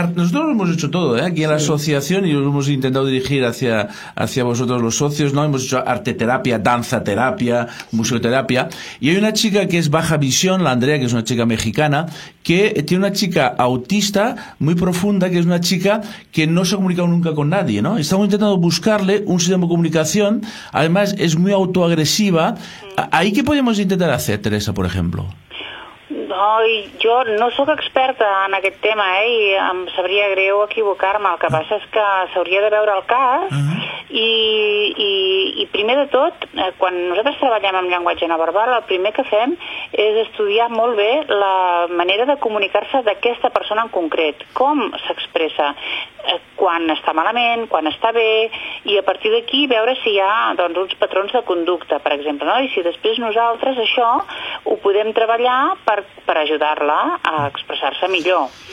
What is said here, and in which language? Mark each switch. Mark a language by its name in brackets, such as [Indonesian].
[Catalan] Nosaltres ho hem fet tot, aquí a l'associació, i ho hem intentat dirigir [Spanish] hacia [Catalan] vosaltres, els socis, hem fet arteteràpia, danzaterapia, musicoterapia, i hi ha una xica que és baja visió, l'Andrea, que és una xica mexicana, que té una xica autista molt profunda, que és una xica que no s'ha comunicat [Spanish] nunca con nadie, [Catalan] no? [Spanish] Estamos intentando buscarle un sistema de comunicación, además es muy autoagresiva. ¿Ahí qué podemos intentar hacer, Teresa, por ejemplo? [Catalan] No, jo no sóc experta en aquest tema, i em sabria greu equivocar-me. El que passa és que s'hauria de veure el cas. I primer de tot, quan nosaltres treballem amb llenguatge no verbal, el primer que fem és estudiar molt bé la manera de comunicar-se d'aquesta persona en concret, com s'expressa, quan està malament, quan està bé, i a partir d'aquí veure si hi ha doncs, uns patrons de conducta, per exemple, no? I si després nosaltres això ho podem treballar per ajudar-la a expressar-se millor.